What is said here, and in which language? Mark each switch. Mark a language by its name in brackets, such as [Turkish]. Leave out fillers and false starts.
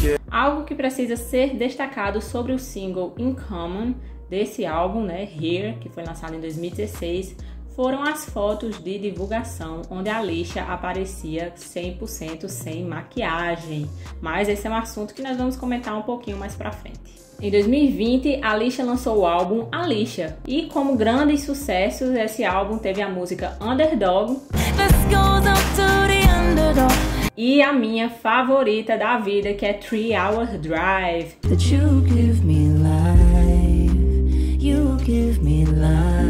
[Portuguese] Algo que precisa ser destacado sobre o single In Common desse álbum, né, Here, que foi lançado em 2016, foram as fotos de divulgação onde a Alicia aparecia 100% sem maquiagem. Mas esse é um assunto que nós vamos comentar um pouquinho mais pra frente. Em 2020, Alicia lançou o álbum Alicia. E como grandes sucessos, esse álbum teve a música Underdog. [English] This goes up to the underdog. [Portuguese] E a minha favorita da vida, que é 3-Hour Drive. [English] That you give me life, you give me life.